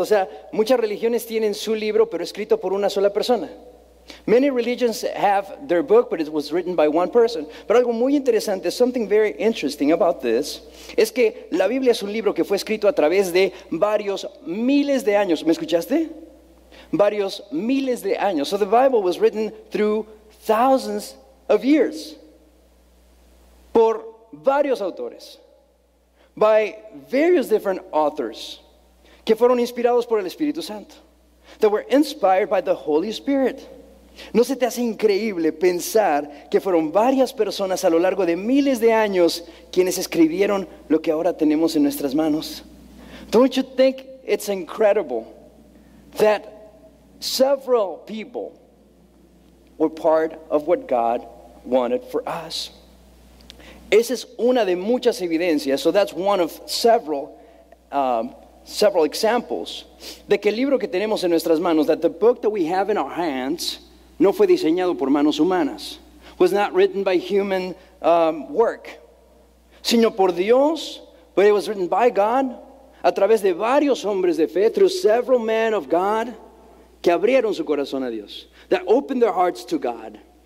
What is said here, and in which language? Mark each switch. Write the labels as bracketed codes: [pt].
[es] O sea, muchas religiones tienen su libro, pero escrito por una sola persona. [en] Many religions have their book, but it was written by one person. [es] Pero algo muy interesante, [en] something very interesting about this, [es] es que la Biblia es un libro que fue escrito a través de varios miles de años. ¿Me escuchaste? Varios miles de años. [en] So the Bible was written through thousands of years. [es] Por varios autores. [en] By various different authors. [es] Que fueron inspirados por el Espíritu Santo. [en] That were inspired by the Holy Spirit. [es] ¿No se te hace increíble pensar que fueron varias personas a lo largo de miles de años quienes escribieron lo que ahora tenemos en nuestras manos? [en] Don't you think it's incredible that several people were part of what God wanted for us? [es] Esa es una de muchas evidencias. [en] So that's one of several examples [es] de que el libro que tenemos en nuestras manos, [en] that the book that we have in our hands, [es] no fue diseñado por manos humanas, [en] was not written by human work, [es] sino por Dios, [en] but it was written by God, [es] a través de varios hombres de fe, [en] through several men of God, [es] que abrieron su corazón a Dios, [en] that opened their hearts to God.